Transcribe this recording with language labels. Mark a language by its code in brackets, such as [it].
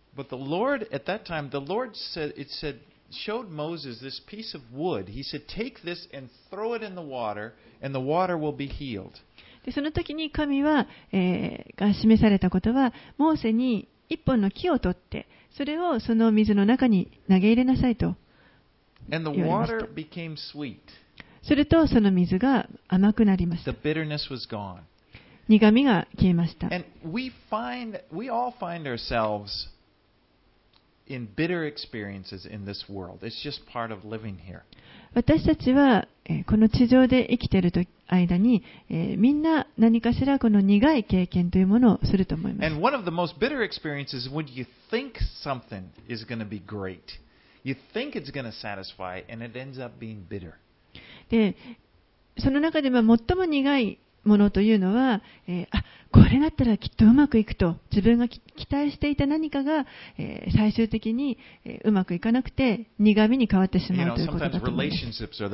[en] But the Lord, at that time, the Lord said, it saidshowed Moses this piece of wood. He said, "Take this and throw it in the water, and the water will be healed." [ja] で、その時に神は、が示されたことは、モーセに一本の木を取って、それをその水の中に投げ入れなさいと言われました。 [en] And the water became sweet. [ja] するとその水が甘くなりました。 [en] The bitterness was gone. [ja] 苦味が消えました。 [en] And we all find ourselves. In bitter experiences in this world. It's just part of living here. [ja] 私たちはこの地上で生きている間に、みんな何かしらこの苦い経験というものをすると思います。 [en] And one of the most bitter experiences is when you think something is going to be great. You think it's going to satisfy, and it ends up being bitter. [ja] で、その中でも最も苦いものというのは、これだったらきっとうまくいくと自分が期待していた何かが、最終的に、うまくいかなくて苦味に変わってしまうということだと思います。